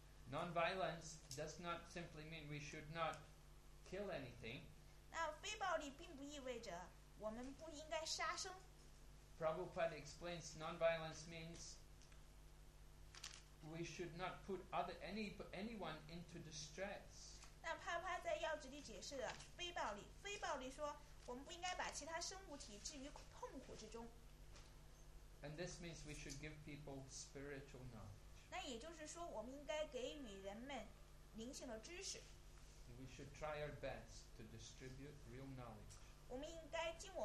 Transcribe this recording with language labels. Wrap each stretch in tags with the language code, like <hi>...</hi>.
<en>Non-violence does not simply mean we should not kill anything.</en> <zh>那非暴力并不意味着我们不应该杀生。</zh> <en>Prabhupada explains non-violence means we should not put anyone into distress.</en> <zh>那帕帕在要旨里解释了非暴力，非暴力说我们不应该把其他生物体置于痛苦之中。</zh> <en>And this means we should give people spiritual knowledge.</en> <zh>那也就是说我们应该给予人们灵性的知识。</zh> <en>We should try our best to distribute real knowledge.</en>